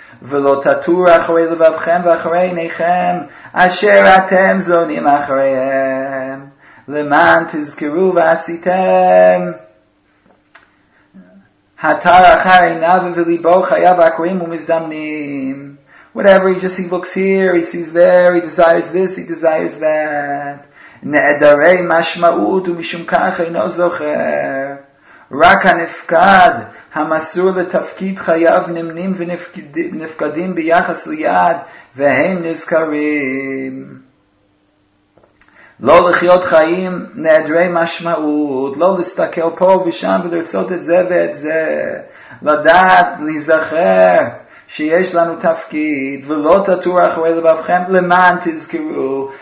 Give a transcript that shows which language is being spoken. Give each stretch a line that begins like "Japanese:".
Hebrew: ולא תטור אחרי לבבכם ואחרי עיניכם, אשר אתם זונים אחריהם, למען תזכרו ועשיתם. התר אחר עיניו וליבו חייו עקרים ומזדמנים.
English: Whatever, he looks here, he sees there, he desires this, he desires that.
Hebrew: נעדרי משמעות ומשום כך אינו זוכר. רק הנפקד, המסור לתפקיד חייו, נמנים ונפקדים ביחס ליד, והם נזכרים. לא לחיות חיים נעדרי משמעות, לא להסתכל פה ושם ולרצות את זה ואת זה, לדעת, להיזכר שיש לנו תפקיד, ולא תטור אחרי לבבכם, למען תזכרו.